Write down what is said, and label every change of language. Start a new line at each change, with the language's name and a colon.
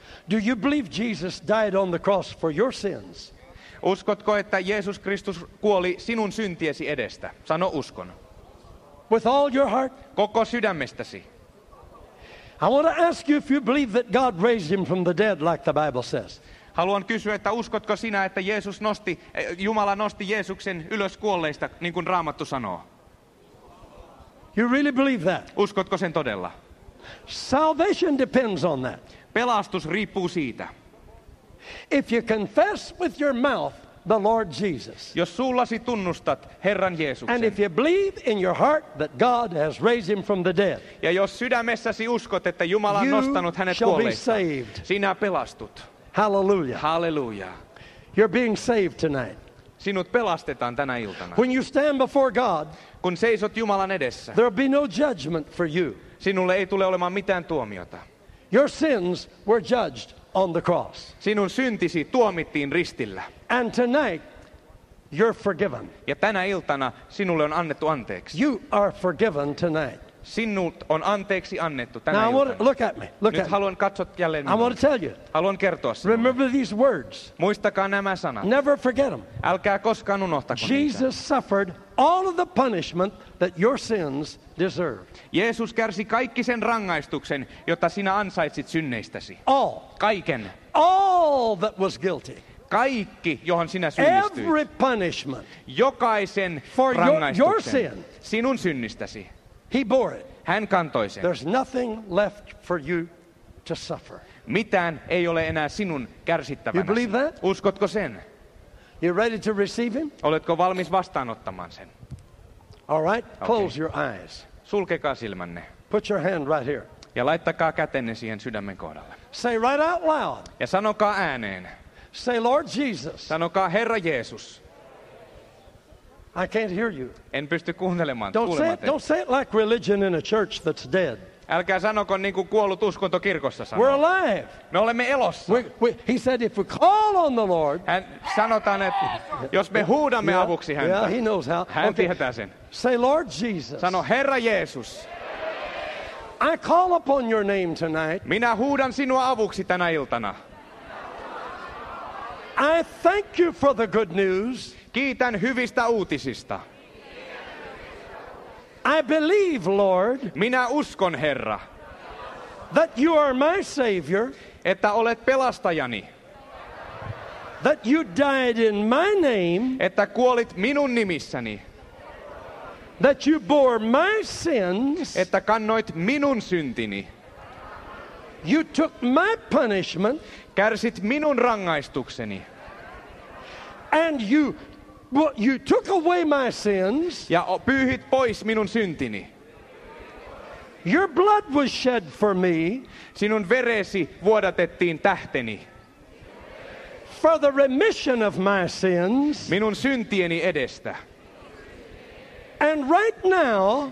English: Do you believe Jesus died on the cross for your sins?
Finnish: Uskotko, että Jeesus Kristus kuoli sinun syntiesi edestä? Sano uskon.
English: With all your heart?
Finnish: Koko sydämestäsi.
English: I want to ask you if you believe that God raised him from the dead like the Bible says.
Finnish: Haluan kysyä, että uskotko sinä, että Jeesus nosti, Jumala nosti Jeesuksen ylös kuolleista, niin kuin Raamattu sanoo.
English: You really believe that?
Finnish: Uskotko sen todella?
English: Salvation depends on that.
Finnish: Pelastus riippuu siitä.
English: If you confess with your mouth the Lord Jesus.
Finnish: Jos suullasi tunnustat Herran Jeesuksen.
English: And if you believe in your heart that God has raised him from the dead.
Finnish: Ja jos sydämessäsi uskot, että Jumala on nostanut hänet kuolleista. Sinä pelastut. Hallelujah. Hallelujah.
English: You're being saved tonight.
Finnish: Sinut pelastetaan tänä iltana.
English: When you stand before God,
Finnish: kun seisot Jumalan edessä,
English: there'll be no judgment for you.
Finnish: Sinulle ei tule olemaan mitään tuomiota.
English: Your sins were judged on the cross.
Finnish: Sinun syntisi tuomittiin ristillä.
English: And tonight, you're forgiven.
Finnish: Ja tänä iltana sinulle on annettu anteeksi.
English: You are forgiven tonight.
Finnish: Sinut on anteeksi annettu tänä
English: Now,
Finnish: iltana.
English: Now look at me. Look
Finnish: Nyt
English: at
Finnish: haluan katsot jälleen
English: I want to tell you.
Finnish: Haluan kertoa sinulle.
English: Remember these words.
Finnish: Muistakaa nämä sanat.
English: Never forget them.
Finnish: Älkää koskaan unohtako
English: Jesus
Finnish: niitä.
English: Suffered all of the punishment that your sins deserved.
Finnish: Jeesus kärsi kaikki sen rangaistuksen, jota sinä ansaitsit synneistäsi.
English: All.
Finnish: Kaiken.
English: All that was guilty.
Finnish: Kaikki, johon sinä syyllistyit.
English: Every punishment.
Finnish: Jokaisen
English: for
Finnish: rangaistuksen.
English: Your sin.
Finnish: Sinun synnistäsi.
English: He bore it.
Finnish: Hän kantoi sen.
English: There's nothing left for you to suffer.
Finnish: Mitään ei ole enää sinun kärsittävänäsi.
English: You believe that?
Finnish: Uskotko sen?
English: You ready to receive him?
Finnish: Oletko valmis vastaanottamaan sen?
English: All right. Okay. Close your eyes.
Finnish: Sulkekaa silmänne.
English: Put your hand right here.
Finnish: Ja laittakaa kätenne siihen sydämen kohdalle.
English: Say right out loud.
Finnish: Ja sanokaa ääneen.
English: Say Lord Jesus.
Finnish: Sanokaa Herra Jeesus.
English: I can't hear you.
Finnish: En pysty kuuntelemaan.
English: Don't say it like religion in a church that's dead.
Finnish: Älkää sanoko niin kuin kuollut uskonto kirkossa sanoo.
English: We're alive.
Finnish: Me olemme elossa.
English: He said if we call on the Lord.
Finnish: Hän sanotaan, että jos me huudamme avuksi häntä.
English: Yeah, he knows how.
Finnish: Hän tietää sen.
English: Say Lord Jesus.
Finnish: Sano Herra Jeesus.
English: I call upon your name tonight.
Finnish: Minä huudan sinua avuksi tänä iltana.
English: I thank you for the good news.
Finnish: Kiitän hyvistä uutisista.
English: I believe, Lord.
Finnish: Minä uskon, Herra.
English: That you are my savior.
Finnish: Että olet pelastajani.
English: That you died in my name.
Finnish: Että kuolit minun nimissäni.
English: That you bore my sins.
Finnish: Että kannoit minun syntini.
English: You took my punishment.
Finnish: Kärsit minun rangaistukseni.
English: And you But you took away my sins.
Finnish: Ja pyyhit pois minun syntini.
English: Your blood was shed for me.
Finnish: Sinun veresi vuodatettiin tähteni.
English: For the remission of my sins.
Finnish: Minun syntieni edestä.
English: And right now.